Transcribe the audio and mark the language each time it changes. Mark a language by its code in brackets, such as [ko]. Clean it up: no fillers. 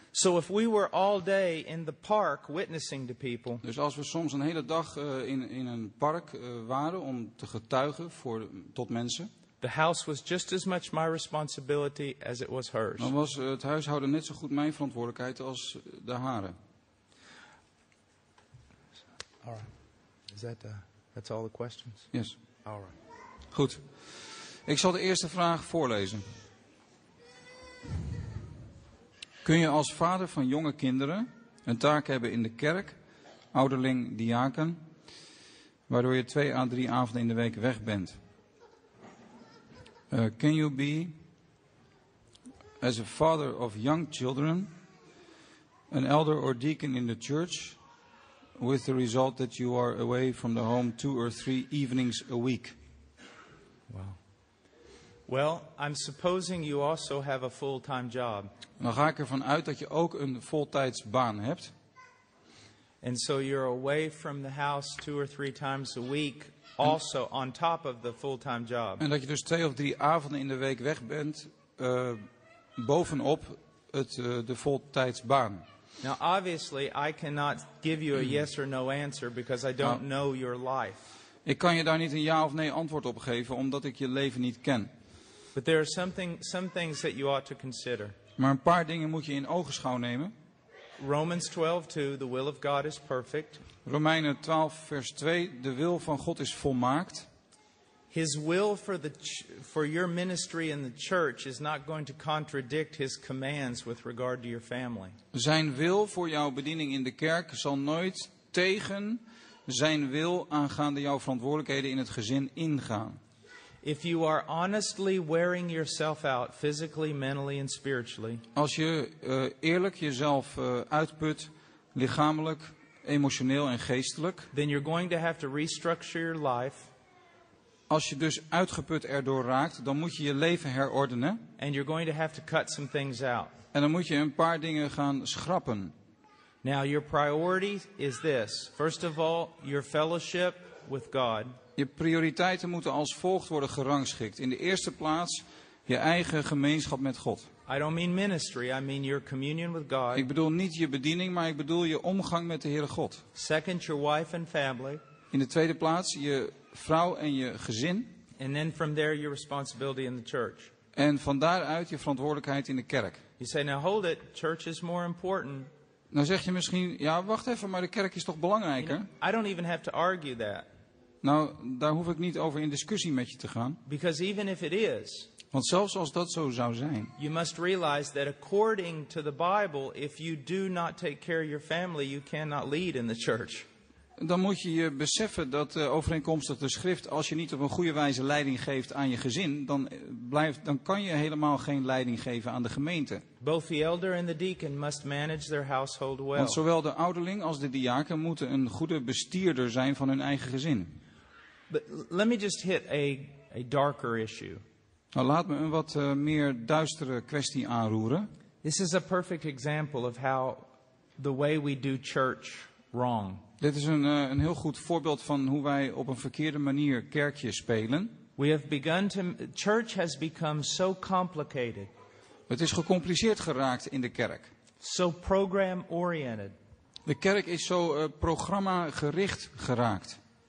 [en] So if we were all day in the park witnessing to people. [nl] Dus als we soms een hele dag in een park waren om te getuigen voor tot mensen. [en] The house was just as much my responsibility as it was hers. [nl] Dan was het huishouden net zo goed mijn verantwoordelijkheid als de hare. [en] All right. Is that that's all the questions? Yes. All right. [nl] Goed. Ik zal de eerste vraag voorlezen. Kun je als vader van jonge kinderen een taak hebben in de kerk, ouderling, diaken, waardoor je 2 à 3 avonden in de week weg bent? [en] Can you be, as a father of young children, an elder or deacon in the church, with the result that you are away from the home 2 or 3 evenings a week? Wow. Well, I'm supposing you also have a full-time job. [nl] Dan ga ik ervan uit dat je ook een voltijdsbaan hebt. [en] And so you're away from the house 2 or 3 times a week. Also on top of the full-time job. [nl] En dat je dus 2 of 3 avonden in de week weg bent bovenop de voltijdsbaan. [en] Now obviously I cannot give you a yes or no answer because I don't know your life. [nl] Ik kan je daar niet een ja of nee antwoord op geven omdat ik je leven niet ken. [en] But there are some things that you ought to consider. [nl] Maar een paar dingen moet je in ogenschouw nemen. [en] Romans 12:2, the will of God is perfect. [nl] Romeinen 12 vers 2, de wil van God is volmaakt. [en] His will for your ministry in the church is not going to contradict his commands with regard to your family. [nl] Zijn wil voor jouw bediening in de kerk zal nooit tegen zijn wil aangaande jouw verantwoordelijkheden in het gezin ingaan. [en] If you are honestly wearing yourself out physically, mentally and spiritually. [nl] Als je eerlijk jezelf uitput lichamelijk, emotioneel en geestelijk. [en] Then you're going to have to restructure your life. [nl] Als je dus uitgeput erdoor raakt, dan moet je je leven herordenen. [en] And you're going to have to cut some things out. [nl] En dan moet je een paar dingen gaan schrappen. [en] Now your priority is this. First of all, your fellowship with God. [nl] Je prioriteiten moeten als volgt worden gerangschikt. In de eerste plaats je eigen gemeenschap met God. [en] I don't mean ministry, I mean your communion with God. [nl] Ik bedoel niet je bediening, maar ik bedoel je omgang met de Heere God. [en] Second, your wife and family. [nl] In de tweede plaats je vrouw en je gezin. [en] And then from there your responsibility in the church. [nl] En van daaruit je verantwoordelijkheid in de kerk. [en] You say, now hold it, church is more important. [nl] Nou zeg je misschien, ja wacht even, maar de kerk is toch belangrijker? [en] You know, I don't even have to argue that. [nl] Nou, daar hoef ik niet over in discussie met je te gaan. [en] Because even if it is, [nl] want zelfs als dat zo zou zijn, [en] you must realize that according to the Bible, if you do not take care of your family, you cannot lead in the church. [nl] Dan moet je je beseffen dat overeenkomstig de schrift, als je niet op een goede wijze leiding geeft aan je gezin, dan kan je helemaal geen leiding geven aan de gemeente. [en] Both the elder and the deacon must manage their household well. [nl] Want zowel de ouderling als de diaken moeten een goede bestierder zijn van hun eigen gezin. [en] But let me just hit a darker issue. [nl] Nou, laat me een wat meer duistere kwestie aanroeren. [en] This is a perfect example of how the way we do church wrong. [nl] Dit is een heel goed voorbeeld van hoe wij op een verkeerde manier kerkje spelen. [en] We have begun to, church has become so complicated. [nl] Het is gecompliceerd geraakt in de kerk. [en] So program oriented. [nl] De kerk is zo programma gericht geraakt.